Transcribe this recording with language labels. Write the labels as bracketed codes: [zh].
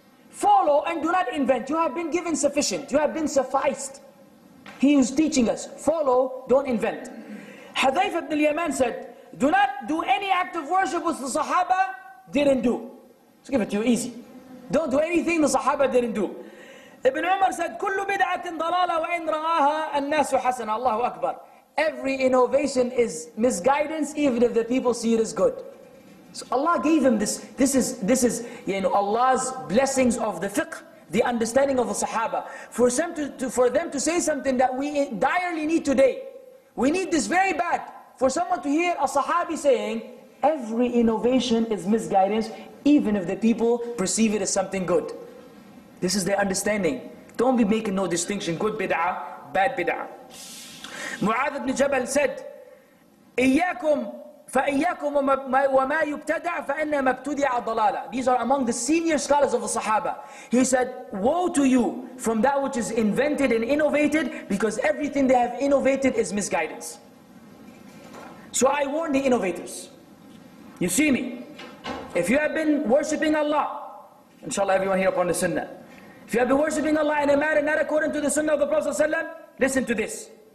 [en] Follow and do not invent. You have been given sufficient. You have been sufficed. He is teaching us. Follow, don't invent. Hadhaif ibn al-Yaman said, do not do any act of worship which the Sahaba didn't do. Let's give it to you easy. Don't do anything the Sahaba didn't do. [ar] Ibn Umar said, كُلُّ بِدْعَةٍ ضَلَالَ وَإِنْ رَآهَا النَّاسُ حَسَنًا. [en] Allahu Akbar. Every innovation is misguidance, even if the people see it as good. So Allah gave him this. This is you know, Allah's blessings of the fiqh, the understanding of the Sahaba. For them to say something that we direly need today. We need this very bad. For someone to hear a Sahabi saying, every innovation is misguidance, even if the people perceive it as something good. This is their understanding. Don't be making no distinction. Good bid'ah, bad bid'ah. [ar] Mu'adh ibn Jabal said, إِيَّاكُمْ فَإِيَّاكُمْ وَمَا يُبْتَدَعْ فَإِنَّا مَبْتُدِعَ الضَّلَالَ. [en] These are among the senior scholars of the Sahaba. He said, woe to you from that which is invented and innovated, because everything they have innovated is misguidance. So I warn the innovators. You see me? If you have been worshipping Allah, inshallah everyone here upon the sunnah, if you have been worshipping Allah in a manner not according to the sunnah of the Prophet ﷺ, listen to this.